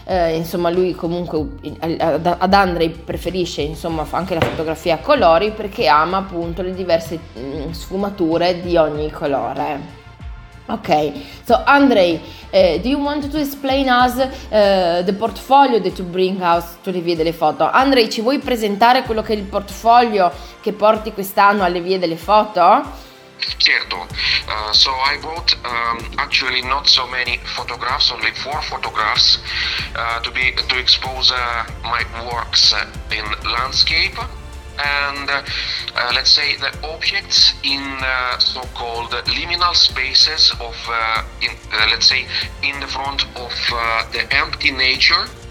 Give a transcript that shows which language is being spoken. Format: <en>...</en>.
<it>Insomma, lui comunque ad Andrei preferisce, insomma, anche la fotografia a colori perché ama appunto le diverse sfumature di ogni colore.</it> <en>Ok, so Andrei, do you want to explain us the portfolio that you bring us to the Vie delle Foto?</en> <it>Andrei, ci vuoi presentare quello che è il portfolio che porti quest'anno alle Vie delle Foto? Certo.</it> <en>So I brought actually not so many photographs, only 4 photographs to expose my works in landscape, and the objects in so-called liminal spaces of in the front of the empty nature,</en>